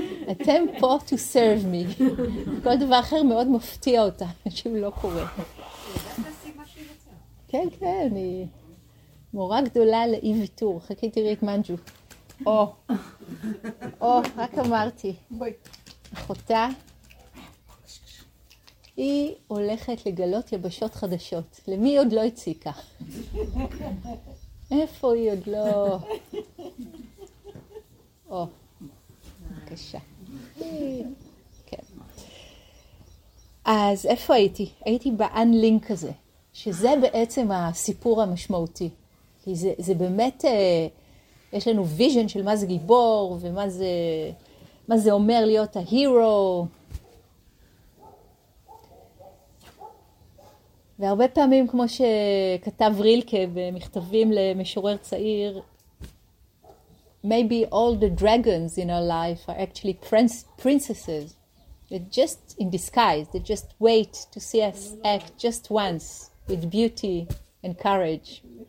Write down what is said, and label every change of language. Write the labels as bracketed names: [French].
[Hebrew] אתם פה [English] to serve me. [Hebrew] כל דבר אחר מאוד מפתיע אותה, שהוא לא קורה. כן, כן, היא... מורה גדולה לאי ויתור. חכי תראי את מנג'ו. או, או, רק אמרתי. אחותה, היא הולכת לגלות יבשות חדשות. למי עוד לא הציקה? איפה היא עוד לא? או, בבקשה. אז איפה הייתי? הייתי באנלינק הזה, שזה בעצם הסיפור המשמעותי. כי זה באמת, יש לנו ויז'ן של מה זה גיבור, ומה זה אומר להיות ההירו. והרבה פעמים, כמו שכתב רילקה במכתבים למשורר צעיר, [English] maybe all the dragons in our life are actually princesses. They're just in disguise. They just wait to see us act just once with beauty and courage.